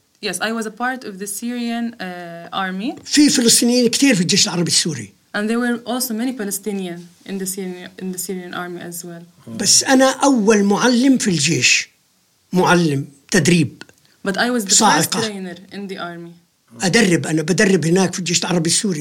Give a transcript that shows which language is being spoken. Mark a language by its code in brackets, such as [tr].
[en] Yes, I was a part of the Syrian army. [ar] في فلسطينيين كتير في الجيش العربي السوري. [en] And there were also many Palestinians in the Syrian army as well. [ar] بس أنا أول معلم في الجيش، معلم تدريب. [en] But I was the first trainer in the army. [ar] أدرب أنا بدرب هناك في الجيش العربي السوري.